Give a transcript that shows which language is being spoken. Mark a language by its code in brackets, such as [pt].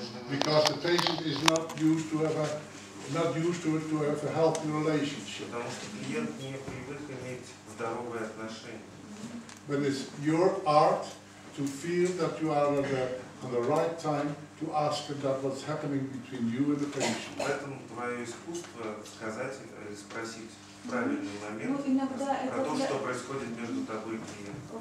[en] Because the patient is not used to have a healthy relationship. [ru] Потому что клиент не привык иметь здоровые отношения. [en] But it's your art to feel that you are on the right time to to ask about what's happening between you and the patient. [ru] Поэтому твое искусство сказать, спросить правильный момент про то, что происходит между тобой и клиентом.